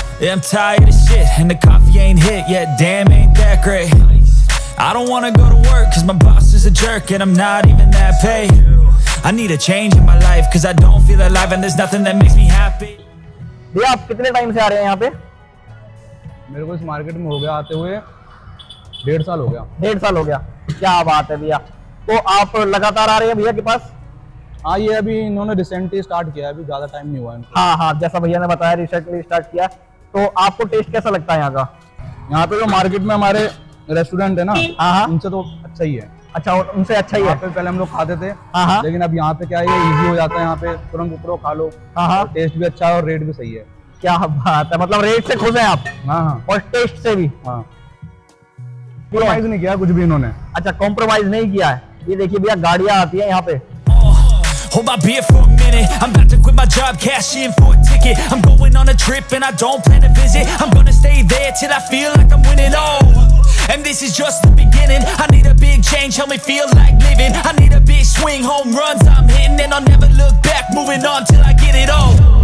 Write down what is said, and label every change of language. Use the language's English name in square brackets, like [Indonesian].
[English] I'm tired of shit and the coffee ain't hit yet, damn ain't that great. I don't wanna go to work cause my boss is a jerk and I'm not even that paid. I need a change in my life cause I don't feel alive and there's nothing that makes me happy. [Hindi] भैया आप कितने time से आ रहे हैं यहाँ पे? मेरे को इस मार्केट में हो गया आते हुए 1.5 साल हो गया। 1.5 साल हो गया, क्या बात है भैया, तो आप लगातार आ रहे हैं भैया के पास? हाँ ये अभी इन्होंने रिसेंटली स्टार्ट किया है, अभी ज्यादा टाइम नहीं हुआ। हाँ हाँ जैसा भैया ने बताया रिसेंटली स्टार्ट किया, तो आपको टेस्ट कैसा लगता है यहाँ का? यहाँ पे जो मार्केट में हमारे रेस्टोरेंट है ना, हाँ हाँ उनसे तो अच्छा ही है। अच्छा उनसे अच्छा ही है, पे पहले हम लोग खाते थे। हाँ हाँ लेकिन अब यहाँ पे क्या है, इजी हो जाता है, यहाँ पे तुरंत उतरो खा लो। हाँ हाँ टेस्ट भी अच्छा है और रेट भी सही है। क्या बात है, मतलब रेट से खुश है आप? हाँ हाँ और टेस्ट से भी? हाँ कॉम्प्रोमाइज नहीं किया कुछ भी इन्होंने। अच्छा कॉम्प्रोमाइज नहीं किया है। ये देखिए भैया गाड़ियाँ आती है यहाँ पे। [English] Hold my beer for a minute. I'm about to quit my job, cash in for a ticket. I'm going on a trip and I don't plan to visit. I'm gonna stay there till I feel like I'm winning all. And this is just the beginning. I need a big change, help me feel like living. I need a big swing, home runs I'm hitting. And I'll never look back, moving on till I get it all.